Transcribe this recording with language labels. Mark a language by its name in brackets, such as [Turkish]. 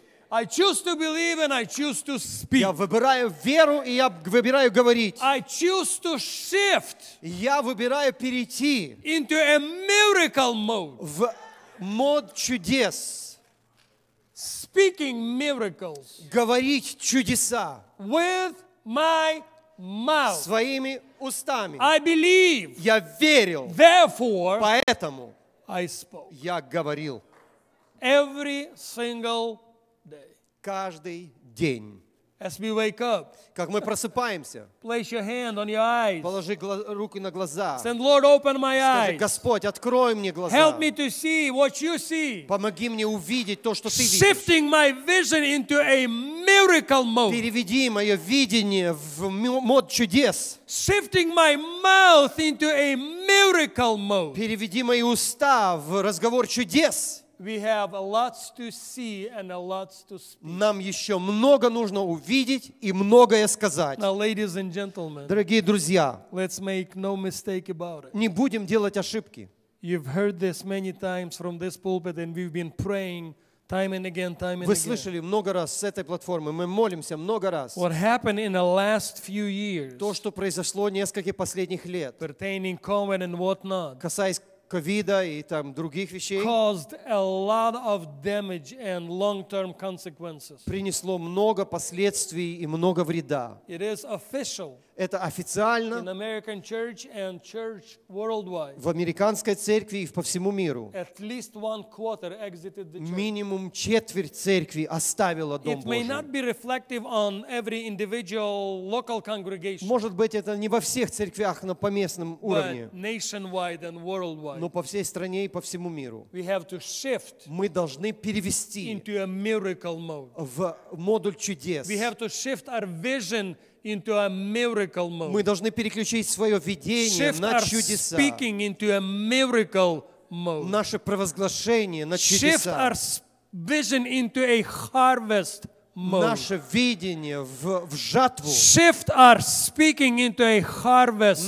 [English] I choose to believe and I choose to speak. [Russian] Я выбираю веру и я выбираю говорить. [English] I choose to shift. [Russian] Я выбираю перейти. [English] Into a miracle mode. [Russian] В мод чудес. [English] Speaking miracles. [Russian] Говорить чудеса. [English] With my mouth. [Russian] Своими устами. [English] I believe. [Russian] Я верил. [English] Therefore. [Russian] Поэтому. [English] I spoke. [Russian] Я говорил. [English] Every single day. [Russian] Каждый день. [English] As we wake up. [Russian] Как мы просыпаемся. [English] Place your hand on your eyes. [Russian] Положи руки на глаза. [English] Send Lord, open my eyes. [Russian] Скажи, Господь, открой мне глаза. [English] Help me to see what you see. [Russian] Помоги мне увидеть то, что ты видишь. [English] Shifting my vision into a miracle mode. [Russian] Переведи мое видение в мод чудес. [English] Shifting my mouth into a miracle mode. [Russian] Переведи мои уста в разговор чудес. [English] We have lots to see and lots to speak. [Russian] Нам еще много нужно увидеть и многое сказать. [English] Now, ladies and gentlemen, [Russian] дорогие друзья, [English] let's make no mistake about it. [Russian] Не будем делать ошибки. [English] You've heard this many times from this pulpit, and we've been praying Time and again. [Russian] Вы слышали много раз с этой платформы. Мы молимся много раз. [English] What happened in the last few years? [Russian] То, что произошло несколько последних лет. [English] Pertaining COVID and whatnot. [Russian] Касаясь ковида и там других вещей. [English] Caused a lot of damage and long-term consequences. [Russian] Принесло много последствий и много вреда. [English] It is official. [Russian] Это официально [English] in American church and church worldwide, [Russian] в американской церкви и по всему миру. [English] At least one quarter exited the church. [Russian] Минимум четверть церкви оставила Дом Божий. [English] It may not be reflective on every individual local congregation, [Russian] может быть, это не во всех церквях, но по местным уровням. [English] But nationwide and worldwide. [Russian] Но по всей стране и по всему миру. [English] We have to shift [Russian] мы должны перевести [English] into a miracle mode. [Russian] В модуль чудес. [English] We have to shift our vision into a miracle mode. [Russian] Мы должны переключить свое видение на чудеса. [English] Shift our speaking into a miracle mode. [Russian] Наше провозглашение на чудеса. [English] Shift our vision into a harvest mode. [Russian] Наше видение в жатву. [English] Shift our speaking into a harvest mode.